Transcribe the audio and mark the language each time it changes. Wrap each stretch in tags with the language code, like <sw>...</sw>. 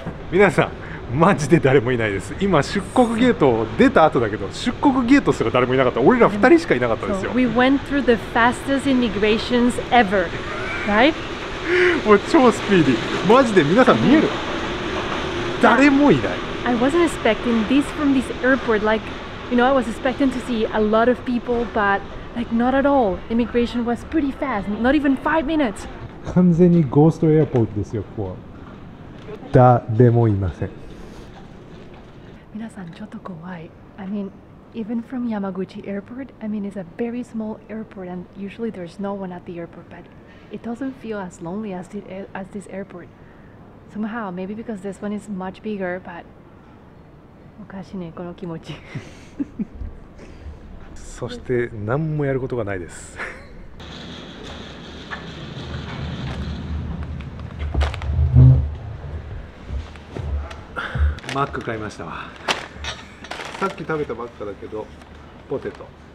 <ja>皆さん、マジで誰もいないです。今出国ゲートを出た後だけど、出国ゲートすら誰もいなかった。俺ら2人しかいなかったですよ。</ja> <en>We went through the fastest immigrations ever, right?</en> <ja>もう超スピーディー。マジで皆さん見える？誰もいない。</ja> <en>I wasn't expecting this from this airport. Like, you know, I was expecting to see a lot of people, but like not at all. Immigration was pretty fast. Not even 5 minutes.</en> <ja>完全にゴーストエアポートですよ、ここは。誰もいません。皆さんちょっと怖い。</ja> <en>I mean, even from Yamaguchi airport, I mean, it's a very small airport and usually there's no one at the airport, but it doesn't feel as lonely as this airport. Somehow, maybe because this one is much bigger, but</en> <ja>おかしいね、この気持ち。そして何もやることがないです。マック買いましたわ。さっき食べたばっかだけど、ポテト。</ja>